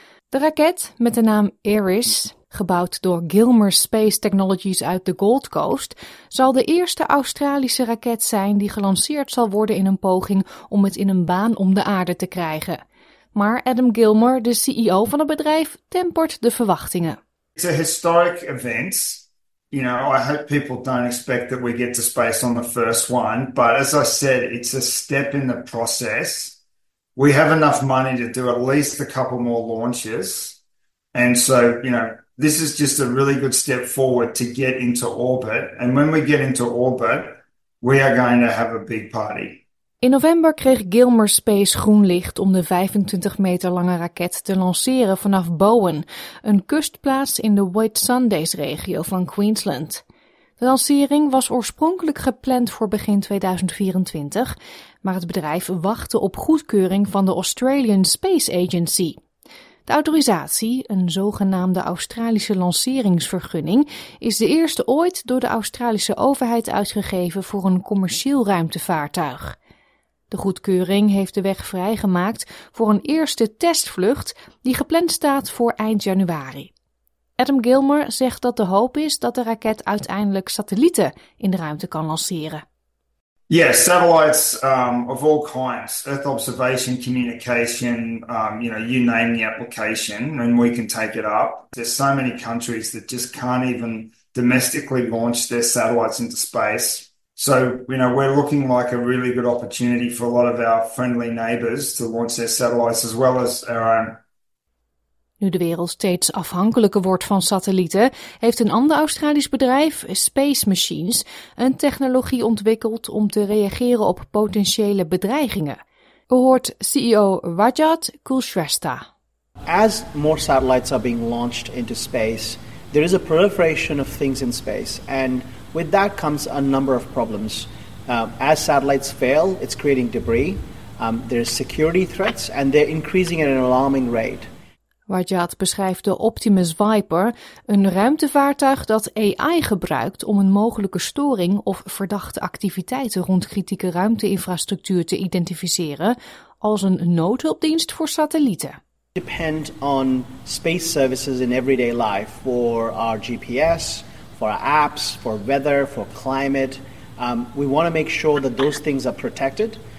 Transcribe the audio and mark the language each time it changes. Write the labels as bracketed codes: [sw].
[nl] De raket, met de naam Eris, gebouwd door Gilmer Space Technologies uit de Gold Coast, zal de eerste Australische raket zijn die gelanceerd zal worden in een poging om het in een baan om de aarde te krijgen. Maar Adam Gilmer, de CEO van het bedrijf, tempert de verwachtingen. [en] It's a historic event. You know, I hope people don't expect that we get to space on the first one. But as I said, it's a step in the process. We have enough money to do at least a couple more launches. And so, you know, this is just a really good step forward to get into orbit. And when we get into orbit, we are going to have a big party. [nl] In november kreeg Gilmer Space groen licht om de 25 meter lange raket te lanceren vanaf Bowen, een kustplaats in de White Sundays regio van Queensland. De lancering was oorspronkelijk gepland voor begin 2024, maar het bedrijf wachtte op goedkeuring van de Australian Space Agency. De autorisatie, een zogenaamde Australische lanceringsvergunning, is de eerste ooit door de Australische overheid uitgegeven voor een commercieel ruimtevaartuig. De goedkeuring heeft de weg vrijgemaakt voor een eerste testvlucht die gepland staat voor eind januari. Adam Gilmer zegt dat de hoop is dat de raket uiteindelijk satellieten in de ruimte kan lanceren. [en] Yes, satellites of all kinds, Earth observation, communication, you know, you name the application and we can take it up. There's so many countries that just can't even domestically launch their satellites into space. So, you know, we're looking like a really good opportunity for a lot of our friendly neighbors to launch their satellites as well as our own. [nl] Nu de wereld steeds afhankelijker wordt van satellieten, heeft een ander Australisch bedrijf, Space Machines, een technologie ontwikkeld om te reageren op potentiële bedreigingen. U hoort CEO Rajat Kulshrestha. [en] As more satellites are being launched into space, there is a proliferation of things in space and with that comes a number of problems. As satellites fail, it's creating debris. There's security threats and they're increasing at an alarming rate. [nl] Rajat beschrijft de Optimus Viper, een ruimtevaartuig dat AI gebruikt om een mogelijke storing of verdachte activiteiten rond kritieke ruimteinfrastructuur te identificeren, als een noodhulpdienst voor satellieten. [en] Depend on space services in everyday life for our GPS, for our apps, for weather, for climate. We want to make sure that those things are protected.